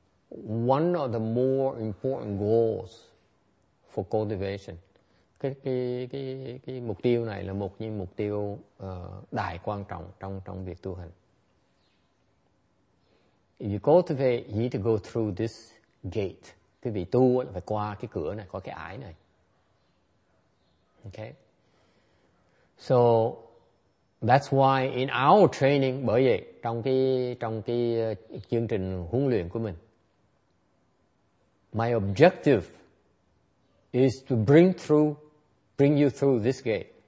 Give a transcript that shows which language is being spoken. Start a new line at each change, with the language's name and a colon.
English: It is one of the more important goals for cultivation.
Vietnamese: Cái mục tiêu này là một những mục tiêu đại quan trọng trong việc tu hành.
English: If you cultivate, you need to go through this gate.
Vietnamese: Cái vị tu là phải qua cái cửa này, qua cái ải này. Okay.
English: So that's why in our training,
Vietnamese: bởi vậy trong cái chương trình huấn luyện của mình,
English: my objective is to bring you through this gate.